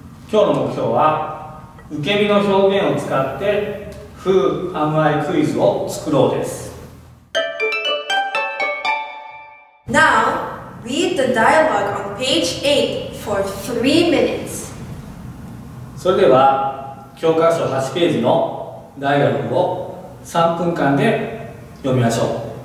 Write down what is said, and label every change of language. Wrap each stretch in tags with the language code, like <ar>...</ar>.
<ja>今日の目標は受け身の表現を使って</ja> <en>Who am I</en> <ja>クイズを作ろうです。</ja> <en>Now, read the dialogue on page 8 for 3 minutes.</en> <ja>それでは教科書8ページのダイアログを3分間で読みましょう。</ja>